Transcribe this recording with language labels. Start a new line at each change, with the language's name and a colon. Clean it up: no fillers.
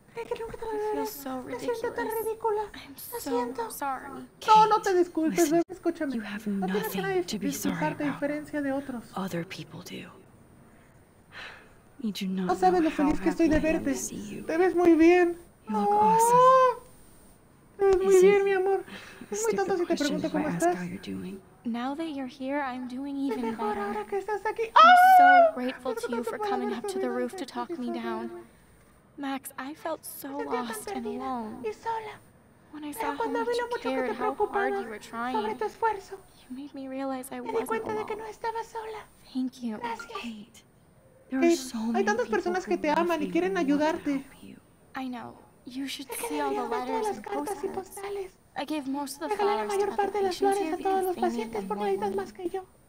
English: I feel so ridiculous. I'm so sorry.
Spanish: No, no te disculpes.
English: Listen, you have nothing to be sorry about. Other people do. You do not know how happy I am to see you.
Spanish: Te ves muy bien.
English: You look awesome.
Spanish: Te ves muy bien, mi amor. Es muy tonto si te pregunto cómo estás.
English: Now that you're here, I'm doing even better.
Spanish: Ahora que estás aquí.
English: I'm so grateful to you for coming up to the roof to talk me down. Max, I felt so lost and alone.
Spanish: Y sola.
English: When I saw how much you cared, how hard you were trying, you made me realize I wasn't alone.
Spanish: De que no estaba sola.
English: Thank you.
Spanish: Gracias.
English: Kate, there are so many
Spanish: hay personas
English: people
Spanish: que te aman
English: who
Spanish: y quieren ayudarte.
English: Want to help you. I know. You should see all the letters and postcards.
Spanish: Y postales.
English: I gave most of the flowers to
Spanish: parte
English: other
Spanish: de las flores a todos los que yo.